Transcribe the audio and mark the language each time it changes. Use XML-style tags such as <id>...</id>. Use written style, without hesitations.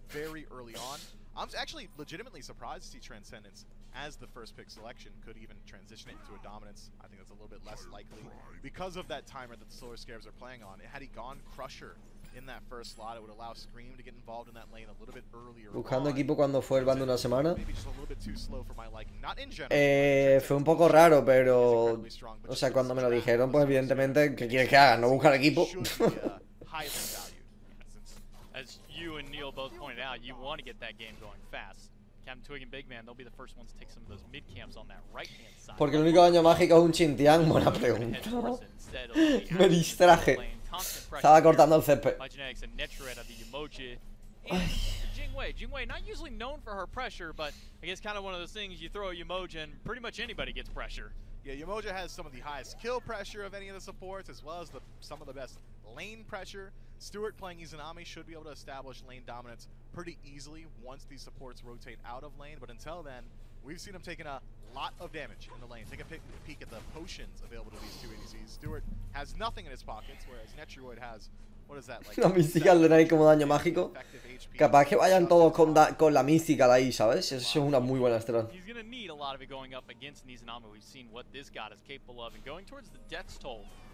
<en>Very early on, I'm actually legitimately surprised to see Transcendence as the first pick selection. Could even transition it into a dominance. I think that's a little bit less likely because of that timer that the Solar Scarabs are playing on. Had he gone Crusher in that first slot, it would allow Scream to get involved in that lane a little bit earlier.</en> <es>Buscando equipo cuando fue el bando una semana.</es> <en>Maybe just a little bit too slow for my liking. Not in general.</en> <es>Fue un poco raro, pero o sea, cuando me lo dijeron, pues evidentemente, ¿qué quieres que haga? No buscar equipo.</es> <en>As you and Neil both pointed out, you want to get that game going fast. Captain Twig and Big Man, they'll be the first ones to take some of those mid camps on that right hand side.</en> <es>Porque el único daño mágico es un Chintian, buena pregunta. Me distraje. Estaba cortando el CP.</es> <en>My Genetics and Netrad of the Yumoji. Jingwei. Jingwei, not usually known for her pressure, but I guess kind of one of those things, you throw a Yumoji and pretty much anybody gets pressure. Yeah, Yumoji has some of the highest kill pressure of any of the supports, as well as the some of the best lane pressure. Stewart playing Izanami should be able to establish lane dominance pretty easily once these supports rotate out of lane. But until then, we've seen him taking a lot of damage in the lane. Take a peek at the potions available to these two ADCs. Stewart has nothing in his pockets, whereas Netruoid has, what is that, like...</en> <es>La mística le da ahí como daño mágico. Capaz que vayan todos con la mística ahí, ¿sabes? Eso es una muy buena estrategia.</es> <en>He's gonna need a lot of it going up against Izanami. We've seen what this god is capable of. And going towards the death's toll.</en>